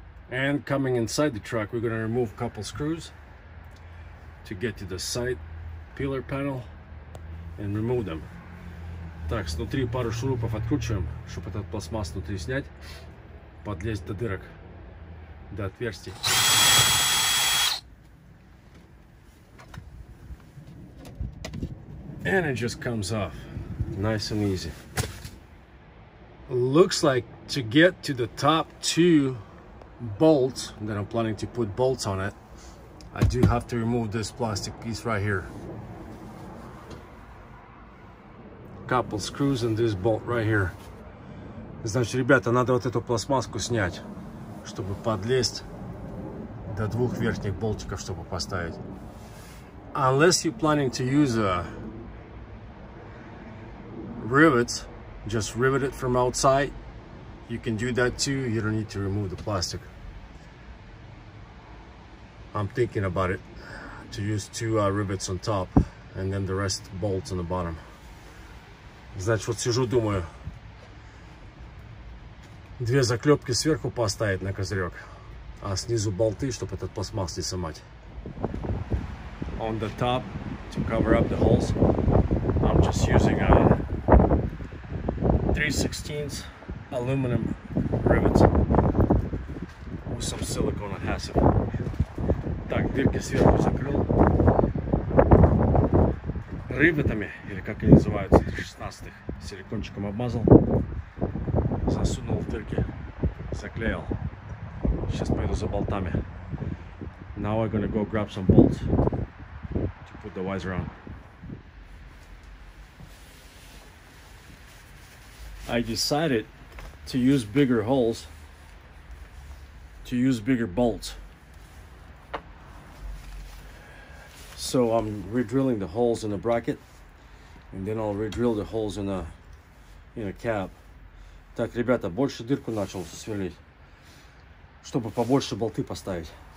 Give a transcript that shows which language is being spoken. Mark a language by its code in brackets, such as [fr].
[en] And coming inside the truck, we're going to remove a couple screws to get to the side pillar panel and remove them. [ru] Так, снутри пару шурупов откручиваем, чтобы этот пластмасс внутри снять, подлезть до дырок, до отверстий. [en] And it just comes off nice and easy. Looks like to get to the top two bolts that I'm planning to put bolts on it, I do have to remove this plastic piece right here. Couple screws and this bolt right here. [ru] Значит, ребята, надо вот эту пластмасску снять, чтобы подлезть до двух верхних болтиков, чтобы поставить. [en] Unless you're planning to use a rivets, just rivet it from outside, you can do that too. You don't need to remove the plastic. I'm thinking about it, to use two rivets on top, and then the rest bolts on the bottom. [ru] Значит, вот сижу, думаю, две заклепки сверху поставить на козырек, а снизу болты, чтобы этот пластмасс не сломать. [en] On the top, to cover up the holes, I'm just using a 3/16 aluminum rivet with some silicone adhesive. [ru] Так, дырки сверху закрыл рыбетами, или как они называются, 16-х, силикончиком обмазал, засунул в дырки, заклеил. Сейчас пойду за болтами. [en] Now I'm gonna go grab some bolts to put the visor on. I decided to use bigger holes, to use bigger bolts. So I'm re-drilling the holes in the bracket, and then I'll re-drill the holes in a cap. [ru] Так, ребята, больше дырку начал сверлить, чтобы побольше болты поставить.